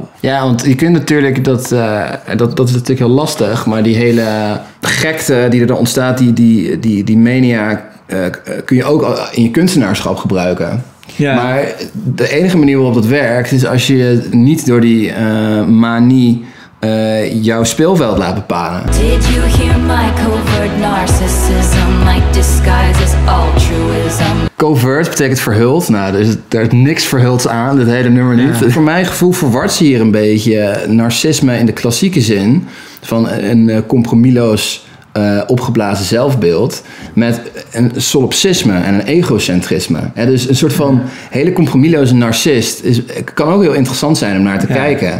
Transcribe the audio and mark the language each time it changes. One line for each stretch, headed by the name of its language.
Dutch: Ja, want je kunt natuurlijk, dat is natuurlijk heel lastig, maar die hele gekte die er dan ontstaat, die mania, kun je ook in je kunstenaarschap gebruiken. Ja. Maar de enige manier waarop dat werkt is als je niet door die manie jouw speelveld laat bepalen.
English: Did you hear my covert narcissism, my disguise is altruism.
Dutch: Covert betekent verhuld. Nou, er is niks verhulds aan, dit hele nummer niet. Ja. Voor mijn gevoel verward ze hier een beetje narcisme in de klassieke zin van een compromisloos opgeblazen zelfbeeld met een solipsisme en een egocentrisme. Ja, dus een soort van hele compromisloze narcist kan ook heel interessant zijn om naar te kijken.